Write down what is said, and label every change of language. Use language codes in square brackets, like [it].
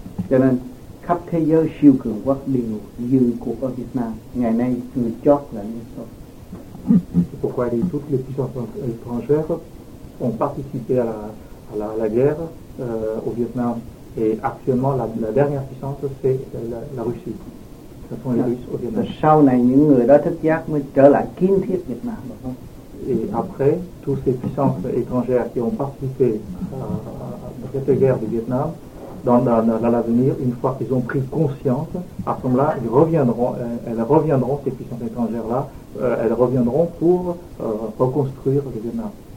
[vi] Cho nên, khắp thế giới siêu cường quốc đều dư của Việt Nam. Ngày nay, người chót là Liên Xô. [fr] C'est pourquoi toutes les puissances étrangères ont participé à la guerre au Vietnam. Et actuellement, la dernière puissance, c'est la Russie. Ce sont les Russes au Vietnam. [vi] Sau này, những người đó thức giác mới trở lại kiến thiết Việt Nam. [fr] Et après, toutes ces puissances étrangères qui ont participé à cette guerre du Vietnam, dans l'avenir, une fois qu'ils ont pris conscience, à ce moment-là, elles reviendront, ces puissances étrangères-là, elles reviendront pour reconstruire le Vietnam.